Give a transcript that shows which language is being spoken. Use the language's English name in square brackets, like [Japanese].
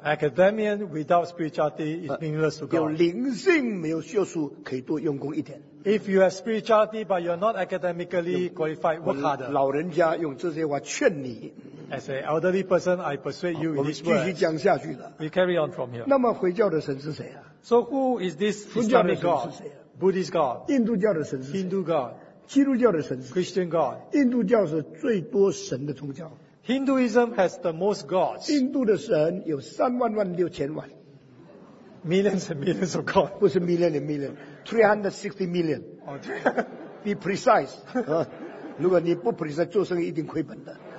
[English] Academia without spirituality is meaningless to God. [Chinese] 有灵性，没有学术，可以多用功一点。 [English] If you have spirituality but you are not academically qualified, work harder. [Chinese] 老人家用这些话劝你。 [English] As an elderly person, I persuade you in this way. [Chinese] 我们继续讲下去了。 [English] We carry on from here. [Chinese] 那么回教的神是谁啊？ [English] So who is this Islamic God? Buddhist God? [Chinese] 印度教的神是谁？ [English] Hindu God? [Chinese] 基督教的神是谁？ [English] Christian God? [Chinese] 印度教是最多神的宗教。 [English] Hinduism has the most gods. [Chinese] 印度的神有36,000,000,000。 [English] Millions and millions of God. [Chinese] 不是 [English] million and million. 360 million. Be precise. [Chinese] 如果你不 precise, 做生意一定亏本的。